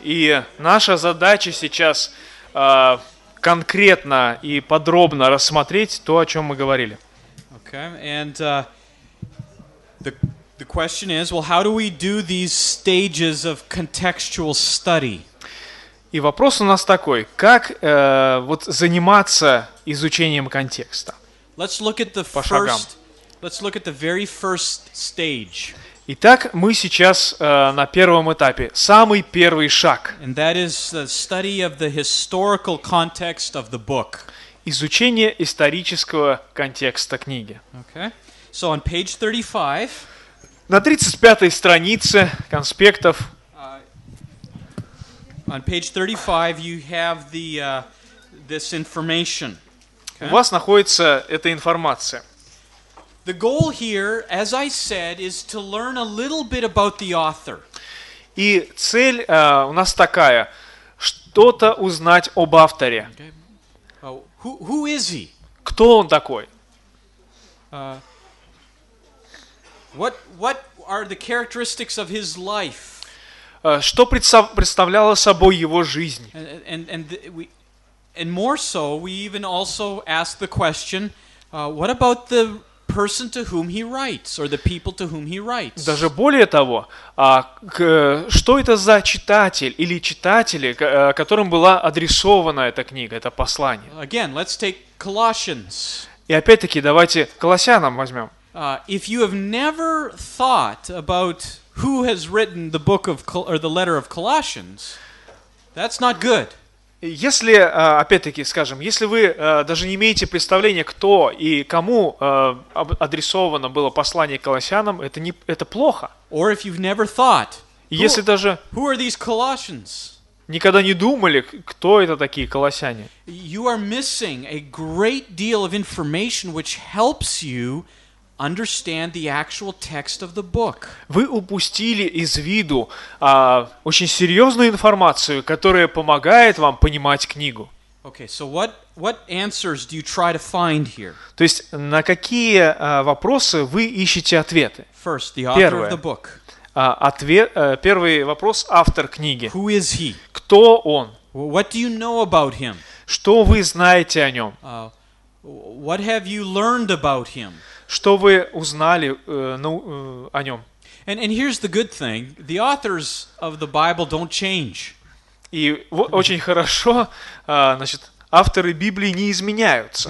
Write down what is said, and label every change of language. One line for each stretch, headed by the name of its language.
Russian: И наша задача сейчас конкретно и подробно рассмотреть то, о чем мы говорили.
English: Okay. And the question is, well, how do we do these stages of contextual study?
Russian: И вопрос у нас такой: как вот заниматься изучением контекста?
English: Let's look at the first. Let's look at the very first stage.
Russian: Итак, мы сейчас на первом этапе, самый первый шаг.
English: And that is the study of the historical context of the book.
Russian: Изучение исторического контекста книги.
English: Okay. So on page 35.
Russian: На 35-й странице конспектов.
English: On page 35 you have the this information.
Russian: Okay. У вас находится эта информация.
English: The goal here, as I said, is to learn a little bit about the author.
Russian: И цель у нас такая: что-то узнать об авторе.
English: Okay. Who is he?
Russian: Кто он такой?
English: What are the characteristics of his life?
Russian: Что представляла собой его жизнь?
English: And more so, we even also ask the question, what about the person to whom he writes, or the people to whom he writes.
Russian: Даже более того, что это за читатель или читатели, которым была адресована эта книга, это послание?
English: Again, let's take Colossians.
Russian: И опять-таки, давайте Колоссянам возьмем.
English: If you have never thought about who has written the book of or the letter of Colossians, that's not good.
Russian: Если, опять-таки, скажем, если вы даже не имеете представления, кто и кому адресовано было послание к Колоссянам, это плохо.
English: Or if you've never thought,
Russian: если даже
English: who are these Colossians?
Russian: Никогда не думали, кто это такие колоссяне.
English: You are missing a great deal of information which helps you understand the actual text of the book.
Russian: Вы упустили из виду очень серьезную информацию, которая помогает вам понимать книгу.
English: Okay, so what answers do you try to find here?
Russian: То есть на какие вопросы вы ищете ответы?
English: First, the author of the book.
Russian: Первый вопрос: автор книги.
English: Who is he?
Russian: Кто он?
English: What do you know about him?
Russian: Что вы знаете о нем?
English: What have you learned about him?
Russian: Что вы узнали о нем?
English: And here's the good thing: the authors of the Bible don't change.
Russian: И очень хорошо, значит, авторы Библии не изменяются.